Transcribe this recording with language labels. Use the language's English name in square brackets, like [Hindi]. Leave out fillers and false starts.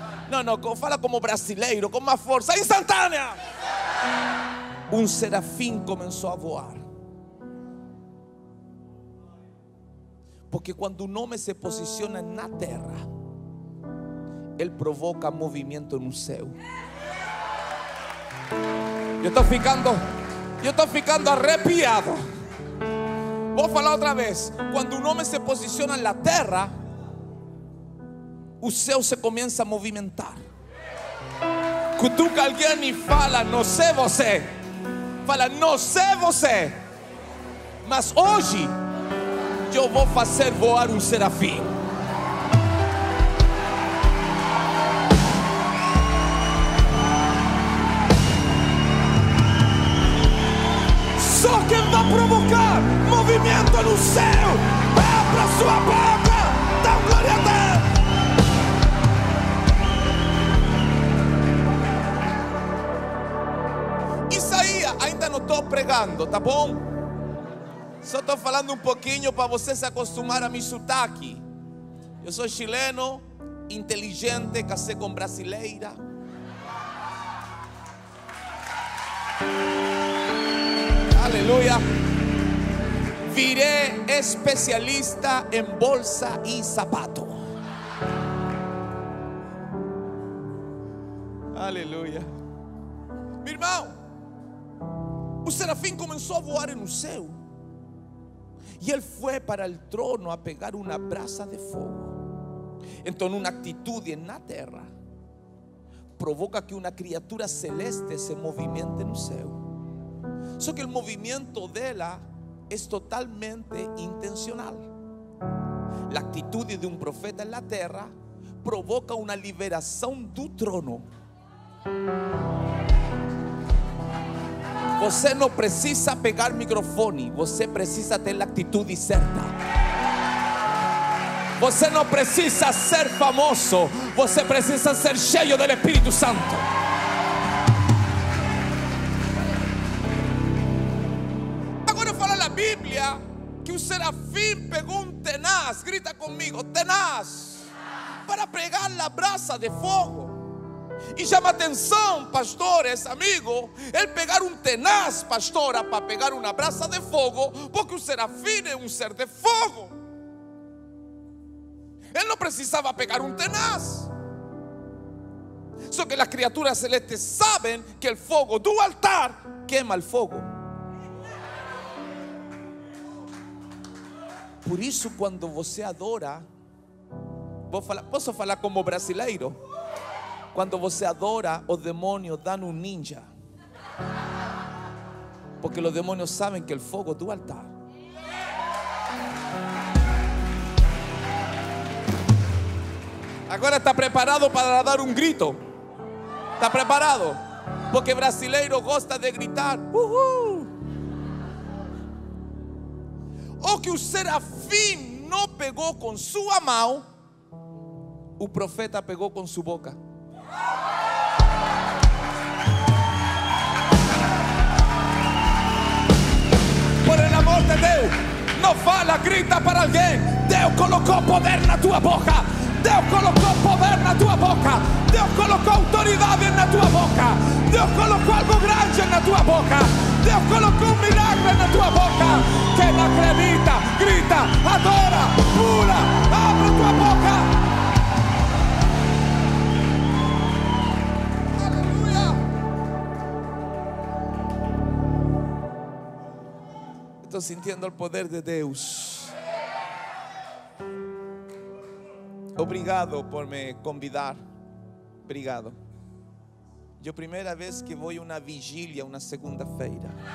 [Portuguese] Não, fala como brasileiro, com mais força, instantânea. Um serafim começou a voar. Porque quando o nome se posiciona na terra, ele provoca movimento no céu. [Spanish] Yo estoy [Portuguese] ficando arrepiado. [Spanish] Voy a hablar otra vez. Cuando un hombre se posiciona en la tierra, el cielo se comienza a movimentar. Cutuca alguien y fala, no sé vos. Fala, no sé vos. Mas hoy yo voy a hacer voar un serafín. Sos quien va a provocar movimiento en el cielo. Ve para su boca, da gloria a Dios. [Portuguese] Isaías, ainda no estoy pregando, ¿está bom? Só estou falando um pouquinho para você se acostumar a meu sotaque. Eu sou chileno, inteligente, casei com brasileira. Aleluia. Virei especialista em bolsa e sapato. Aleluia. Meu irmão, o serafim começou a voar no céu. [Spanish] Y él fue para el trono a pegar una brasa de fuego. Entonces una actitud en la tierra provoca que una criatura celeste se movimente en el cielo. Solo que el movimiento de ella es totalmente intencional. La actitud de un profeta en la tierra provoca una liberación del trono. [Portuguese] Você não precisa pegar microfone, você precisa ter a atitude certa. Você não precisa ser famoso, você precisa ser cheio do Espírito Santo. Agora fala na Bíblia que o serafim pegou um tenaz, grita comigo, tenaz, para pregar a brasa de fogo. [Spanish] Y llama atención, pastores, amigos. El pegar un tenaz, pastora, para pegar una brasa de fuego, porque un serafín es un ser de fuego. Él no precisaba pegar un tenaz. Solo que las criaturas celestes saben que el fuego del altar quema el fuego. Por eso, cuando você adora, ¿puedo hablar como brasileiro? Cuando você adora, los demonios dan un ninja. Porque los demonios saben que el fuego es tu altar. Ahora está preparado para dar un grito. Está preparado. [Portuguese] Porque brasileiro gosta de gritar. [Spanish] O que el serafín no pegó con su mão, el profeta pegó con su boca. Por el amor de Dios, no fala, grita para alguien. Dios colocó poder en tu boca. Dios colocó poder en tu boca. Dios colocó autoridad en tu boca. Dios colocó algo grande en tu boca. Dios colocó un milagro en tu boca. Que no acredita, grita, adora, pula, abre tu boca. Estoy sintiendo el poder de Dios. [Portuguese] Obrigado por me convidar. Obrigado. [Spanish] Yo primera vez que voy a una vigilia, una segunda-feira.